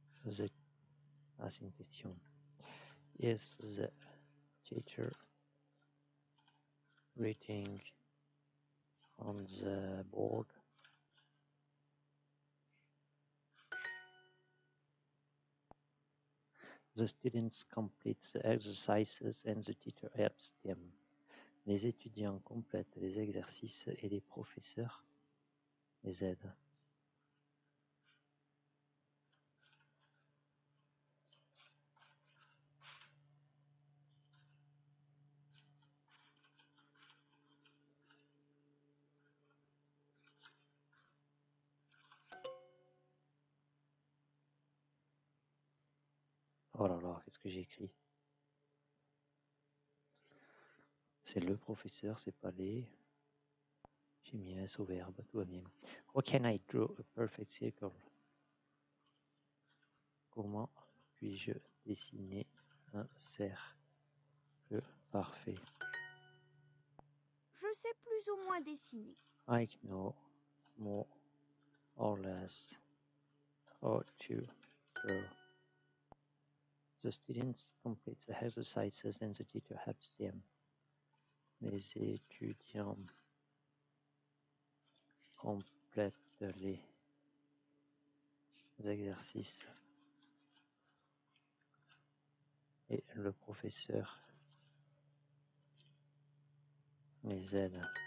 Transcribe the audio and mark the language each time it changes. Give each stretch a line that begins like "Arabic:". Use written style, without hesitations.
French: C'est une question.
English: Is the teacher writing on the board? The students complete the exercises and the teacher helps them.
French: Les étudiants complètent les exercices et les professeurs les aident. Oh là là, qu'est-ce que j'ai écrit? C'est le professeur, c'est pas les. J'ai mis un S au verbe, tout va bien.
English: How can I draw a perfect circle?
French: Comment puis-je dessiner un cercle parfait? Je sais plus ou moins dessiner.
English: I know more or less how to draw. The students complete the exercises and the teacher helps them.
French: Les étudiants complètent les exercices et le professeur les aide.